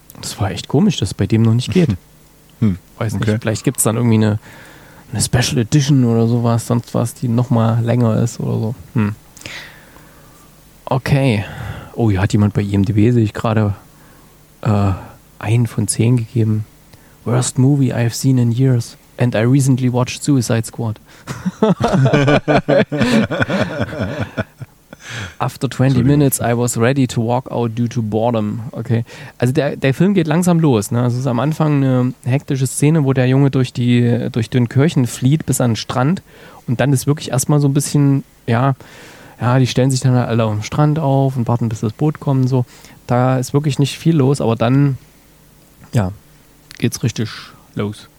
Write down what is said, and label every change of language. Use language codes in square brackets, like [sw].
[de] Das war echt komisch, dass es bei dem noch nicht geht. Weiß nicht, okay. Vielleicht gibt es dann irgendwie eine Special Edition oder sowas, sonst was, die nochmal länger ist oder so. Okay. Oh, hier hat jemand bei IMDb, sehe ich gerade, 1 von 10 gegeben. [en] Worst movie I've seen in years. And I recently watched Suicide Squad. After 20 minutes I was ready to walk out due to boredom. [de] Okay. Also der Film geht langsam los. Ne? Also es ist am Anfang eine hektische Szene, wo der Junge durch Dünkirchen flieht bis an den Strand. Und dann ist wirklich erstmal so ein bisschen, ja, die stellen sich dann alle am Strand auf und warten, bis das Boot kommt und so. Da ist wirklich nicht viel los, aber dann, ja, geht's richtig los.